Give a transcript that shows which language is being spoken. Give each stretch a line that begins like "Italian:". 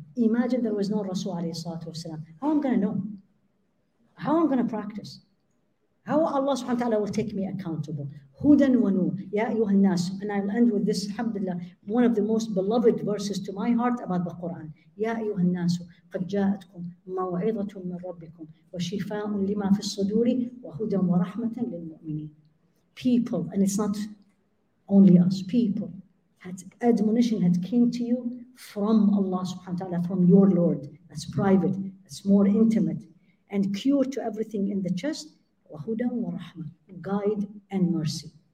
English: Imagine there was no Rasul alayhi salatu wasalam. How am I going to know? How am I going to practice? How Allah subhanahu wa ta'ala will take me accountable? Hudan wa nur. Ya ayyuhan nas. And I'll end with this, alhamdulillah, one of the most beloved verses to my heart about the Quran.
Arabic: Ya ayyuhan nas. قد جاءتكم موعظة من ربكم وشفاء لما في الصدور وهدى ورحمة للمؤمنين.
English: People, and it's not only us, people, had admonition had came to you from Allah subhanahu wa ta'ala, from your Lord. That's private, that's more intimate. And cure to everything in the chest,
Arabic: وهدى ورحمة,
English: guide and mercy.